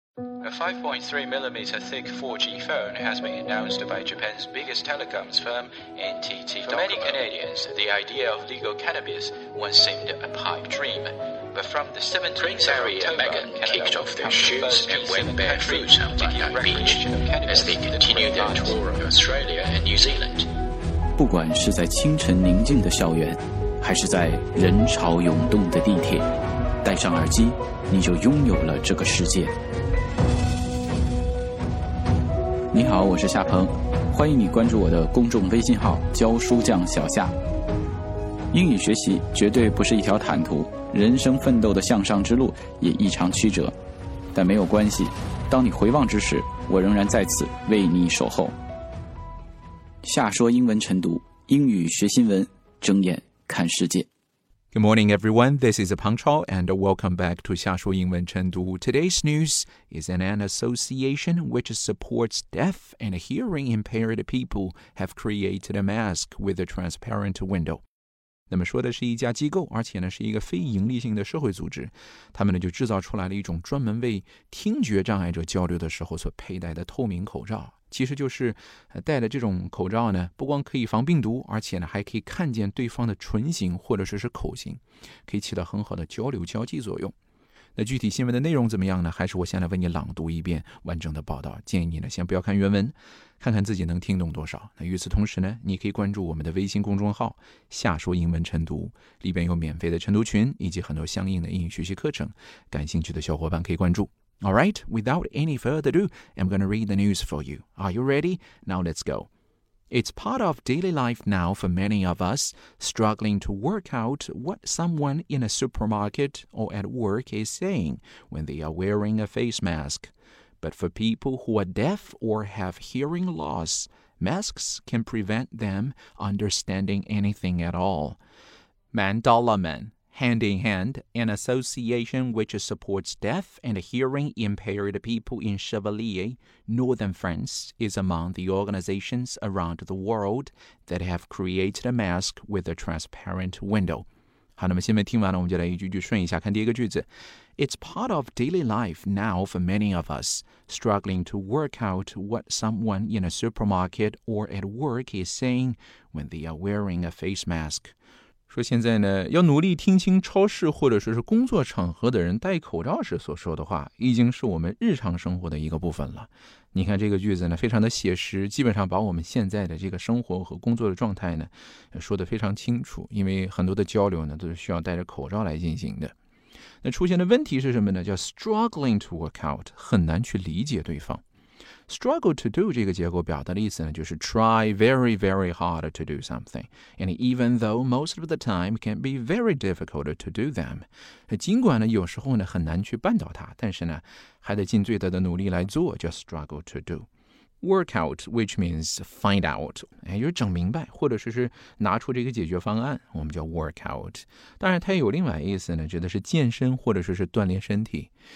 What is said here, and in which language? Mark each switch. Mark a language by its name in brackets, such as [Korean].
[English] A 5.3mm thick 4G phone has been announced by Japan's biggest telecoms firm, NTT Docomo. For many Canadians, the idea of legal cannabis once seemed a pipe dream. But from the 17th of October, Megan kicked off their shoes and went barefoot on the beach as they continued their tour of Australia and New Zealand. [Chinese] 不管是在清晨宁静的校园，还是在人潮涌动的地铁，戴上耳机，你就拥有了这个世界。你好，我是夏鹏，欢迎你关注我的公众微信号“教书匠小夏”。英语学习绝对不是一条坦途，人生奋斗的向上之路也异常曲折，但没有关系，当你回望之时，我仍然在此为你守候。夏说英文晨读，英语学新闻，睁眼看世界。 [English] Good morning, everyone. This is Peng Chao, and welcome back to 夏说英文晨读. Today's news is that an association which supports deaf and hearing impaired people have created a mask with a transparent window. [Chinese] 那么说的是一家机构，而且呢是一个非盈利性的社会组织，他们呢就制造出来了一种专门为听觉障碍者交流的时候所佩戴的透明口罩。其实就是戴的这种口罩呢，不光可以防病毒，而且呢还可以看见对方的唇形或者说是口型，可以起到很好的交流交际作用。那具体新闻的内容怎么样呢？还是我先来为你朗读一遍完整的报道，建议你呢先不要看原文，看看自己能听懂多少。那与此同时呢，你可以关注我们的微信公众号夏说英文晨读，里边有免费的晨读群以及很多相应的英语学习课程，感兴趣的小伙伴可以关注。 [English] All right, without any further ado, I'm going to read the news for you. Are you ready? Now let's go. It's part of daily life now for many of us, struggling to work out what someone in a supermarket or at work is saying when they are wearing a face mask. But for people who are deaf or have hearing loss, masks can prevent them understanding anything at all. Mandala Men. Hand in Hand, an association which supports deaf and hearing impaired people in Chevalier, Northern France, is among the organizations around the world that have created a mask with a transparent window. [Chinese] 好，那么新闻听完了，我们就来一句句顺一下看第一个句子。 [English] It's part of daily life now for many of us, struggling to work out what someone in a supermarket or at work is saying when they are wearing a face mask. [Chinese] 说现在呢，要努力听清超市或者说是工作场合的人戴口罩时所说的话，已经是我们日常生活的一个部分了。你看这个句子呢，非常的写实，基本上把我们现在的这个生活和工作的状态呢，说得非常清楚。因为很多的交流呢，都是需要戴着口罩来进行的。那出现的问题是什么呢？叫 [English] struggling to work out， [Chinese] 很难去理解对方。 [English] Struggle to do [Chinese] 这个结构表达的意思呢，就是 [English] try very, very hard to do something, and even though most of the time can be very difficult to do them. [Chinese] 尽管呢有时候呢很难去办到它，但是呢还得尽最大的努力来做，叫 [English] struggle to do. Work out, which means find out, [Chinese] 就是整明白，或者是拿出这个解决方案，我们叫 work out. 当然它也有另外意思呢，指的是健身或者是锻炼身体。